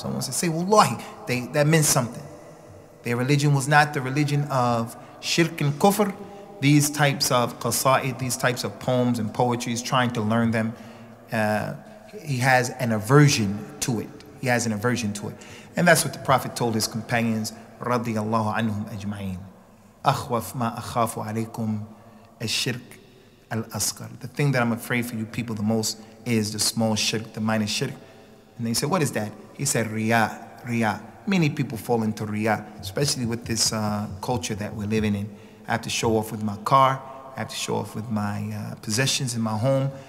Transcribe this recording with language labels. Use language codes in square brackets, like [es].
[en] Someone said, say Wallahi, that meant something. Their religion was not the religion of shirk and kufr. These types of qasa'id, these types of poems and poetry, is trying to learn them. he has an aversion to it. He has an aversion to it. And that's what the Prophet told his companions, [ar] رضي الله عنهم أجمعين. أخوف ما أخاف عليكم الشرك الأصغر. [en] The thing that I'm afraid for you people the most is the small shirk, the minor shirk. And they said, what is that? He said, Riya. Many people fall into Riya, especially with this culture that we're living in. I have to show off with my car. I have to show off with my possessions in my home.